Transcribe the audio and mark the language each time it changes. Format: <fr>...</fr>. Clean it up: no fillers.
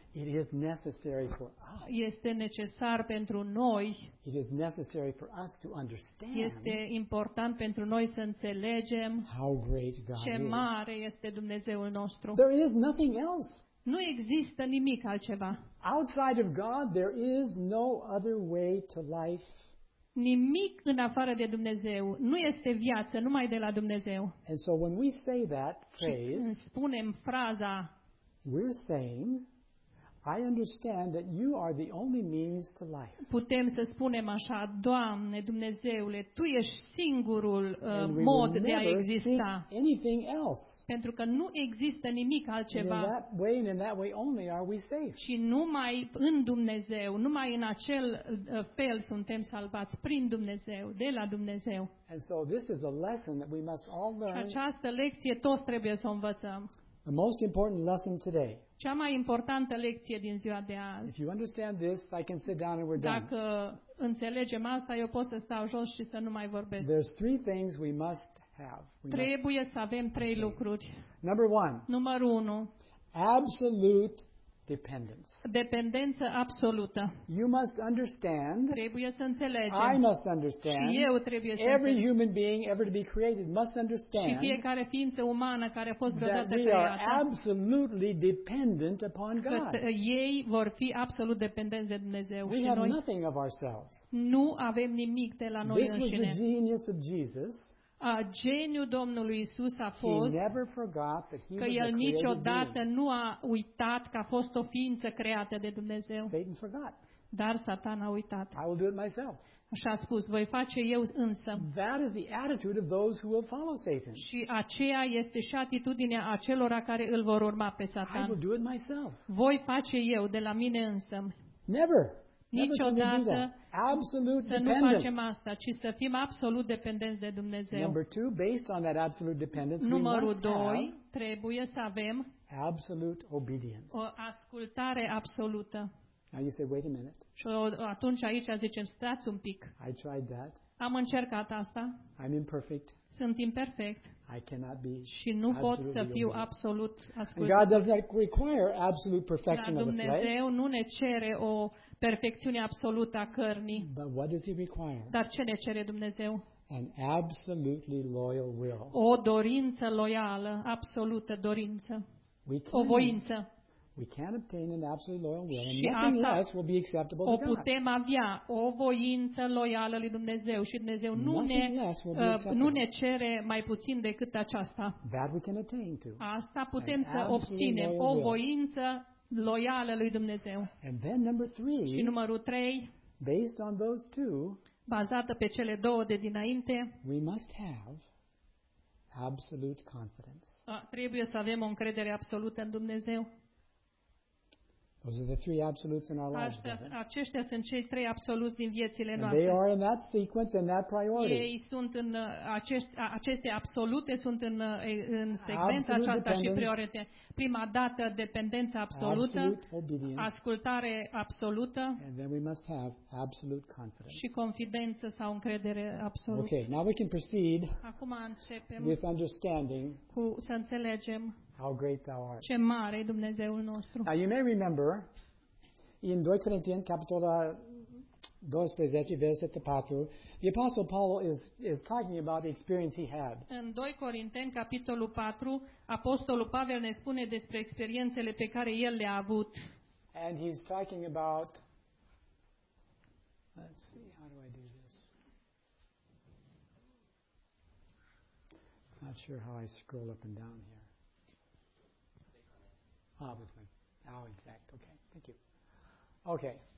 <en>it is necessary for us.</en> <ro>Este necesar pentru noi.</ro> <en>It is necessary for us to understand.</en> <ro>Este important pentru noi să înțelegem</ro> <en>how great God</en> <ro>ce mare este Dumnezeul nostru.</ro> <en>There is nothing else.</en> <ro>Nu există nimic altceva.</ro> <en>Outside of God, there is no other way to life.</en> <ro>Nimic în afară de Dumnezeu. Nu este viață numai de la Dumnezeu.</ro> <en>And so when we say that phrase,</en> <ro>când spunem fraza,</ro> <en>we're saying I understand that you are the only means to life.</en> <ro>Putem să spunem așa, Doamne, Dumnezeule, Tu ești singurul mod de a exista.</ro> <en>Anything else.</en> <ro>Pentru că nu există nimic altceva.</ro> <en>In that way and in that way only are we safe.</en> <ro>Și numai în Dumnezeu, numai în acel fel suntem salvați, prin Dumnezeu, de la Dumnezeu.</ro> <en>And so this is a lesson that we must all learn.</en> <ro>Această lecție toți trebuie să o învățăm.</ro> <en>The most important lesson today.</en> <ro>Cea mai importantă lecție din ziua de azi.</ro> <en>If you understand this, I can sit down and we're</en> <ro>dacă</ro> <en>done.</en> <ro>Dacă înțelegem asta, eu pot să stau jos și să nu mai vorbesc.</ro> <en>There's three things we must have.</en> <ro>Trebuie să avem trei lucruri.</ro> <en>Number one.</en> <ro>Numărul 1.</ro> <en>Absolute dependence.</en> <ro>Dependență absolută.</ro> <en>You must understand.</en> <ro>Trebuie să înțelegem.</ro> <en>I must understand.</en> <ro>Și eu trebuie să înțeleg.</ro> <en>Every human being ever to be created must understand.</en> <ro>Și fiecare ființă umană care a fost vreodată creată.</ro> <en>That we are absolutely dependent upon God.</en> <ro>Ei vor fi absolut dependenți de Dumnezeu.</ro> <en>We have nothing of ourselves.</en> <ro>Nu avem nimic de la noi înșine.</ro> <en>This was the genius of Jesus.</en> <ro>Geniul Domnului Iisus a fost că El niciodată nu a uitat că a fost o ființă creată de Dumnezeu. Dar Satan a uitat.</ro> <en>I will do it myself.</en> <ro>Așa a spus, voi face eu însă.</ro> <en>That is the attitude of those who will follow Satan.</en> <ro>Și aceea este și atitudinea acelora care îl vor urma pe Satan.</ro> <en>I will do it myself.</en> <ro>Voi face eu de la mine însă.</ro> <en>Never.</en> <ro>Niciodată</ro> <en>absolute</en> <ro>să nu facem asta, ci să fim absolut dependenți de Dumnezeu.</ro> <en>Number two, based on that absolute dependence,</en> <ro>numărul 2, trebuie să avem</ro> <en>absolute obedience.</en> <ro>O ascultare absolută.</ro> <en>Now you say, wait a minute.</en> <ro>Și atunci aici zicem, stați un pic.</ro> <en>I tried that.</en> <ro>Am încercat asta.</ro> <en>I'm imperfect.</en> <ro>Sunt imperfect.</ro> <en>I cannot be.</en> <ro>Și nu pot să fiu absolut ascultător.</ro> <en>God does not require absolute perfection of us, right?</en> <ro>Dumnezeu nu ne cere o perfecțiune absolută a cărnii.</ro> <en>But what does he require?</en> <ro>Dar ce ne cere Dumnezeu?</ro> <en>An absolutely loyal will.</en> <ro>O dorință loială, absolută dorință.</ro> <en>We</en> <ro>o voință.</ro> <en>We can obtain an absolutely loyal will, and nothing less will be acceptable to God.</en> <ro>O putem avea o voință loială lui Dumnezeu și Dumnezeu nu ne cere mai puțin decât aceasta.</ro> <en>That we can attain to.</en> <ro>Asta putem să obținem, o voință loială lui Dumnezeu.</ro> <en>And then number three.</en> <ro>Și numărul 3.</ro> <en>Based on those two.</en> <ro>Bazată pe cele două de dinainte.</ro> <en>We must have absolute confidence.</en> <ro>Trebuie să avem o încredere absolută în Dumnezeu.</ro> <en>Those are the three absolutes in our lives.</en> <ro>Aceștia sunt cei trei absoluți din viețile noastre.</ro> <en>They are in that sequence and that priority.</en> <ro>Ei sunt în aceste absolute sunt în secvența aceasta și prioritate. Prima dată dependența absolută, ascultare absolută.</ro> <en>And then we must have absolute confidence.</en> <ro>Și confidență sau încredere absolută.</ro> <en>Okay, now we can proceed.</en> <ro>Acum începem.</ro> <en>With understanding.</en> <ro>Cu să înțelegem.</ro> <en>How great thou art.</en> <ro>Ce mare e Dumnezeul nostru.</ro> <en>Now you may remember in 2 Corinthians</en> <ro>capitolul 12 versetul 4,</ro> <en>the apostle Paul is talking about the experience he had.</en> <ro>În 2 Corinteni capitolul 4, apostolul Pavel ne spune despre experiențele pe care el le-a avut.</ro> <en>And he's talking about let's see, how do I do this? I'm not sure how I scroll up and down here. Obviously. Oh, exact. Okay. Thank you. Okay.</en>